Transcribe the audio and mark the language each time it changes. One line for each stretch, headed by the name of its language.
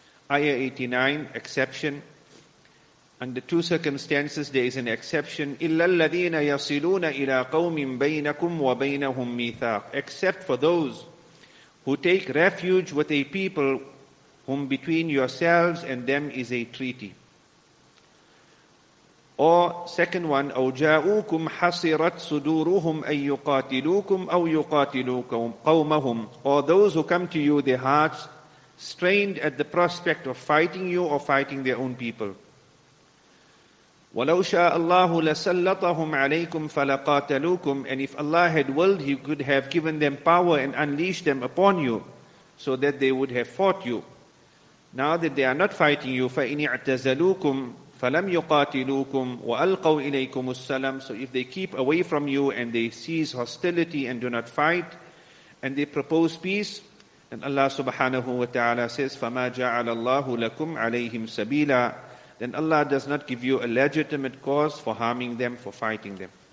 English: Ayah 89, exception. Under two circumstances, there is an exception.
Arabic: إِلَّا الَّذِينَ يَصِلُونَ إِلَىٰ قَوْمٍ بَيْنَكُمْ وَبَيْنَهُمْ مِيثَاقٍ.
English: Except for those who take refuge with a people whom between yourselves and them is a treaty. Or second one,
Arabic: أَوْ جَاءُوكُمْ حَصِرَتْ صُدُورُهُمْ أَن يُقَاتِلُوكُمْ أَوْ يُقَاتِلُوا قَوْمَهُمْ.
English: Or those who come to you, their hearts strained at the prospect of fighting you or fighting their own people.
Arabic: وَلَوْ شَاءَ اللَّهُ لَسَلَّطَهُمْ عَلَيْكُمْ فَلَقَاتَلُوكُمْ.
English: And if Allah had willed, He could have given them power and unleashed them upon you so that they would have fought you. Now that they are not fighting you,
Arabic: فَإِنِ اعْتَزَلُوكُمْ فَلَمْ يُقَاتِلُوكُمْ وَأَلْقَوْا إِلَيْكُمُ السَّلَمْ.
English: So if they keep away from you and they cease hostility and do not fight and they propose peace, and Allah subhanahu wa ta'ala says,
Arabic: فَمَا جَعَلَ اللَّهُ لَكُمْ عَلَيْهِمْ سَبِيلًا.
English: Then Allah does not give you a legitimate cause for harming them, for fighting them.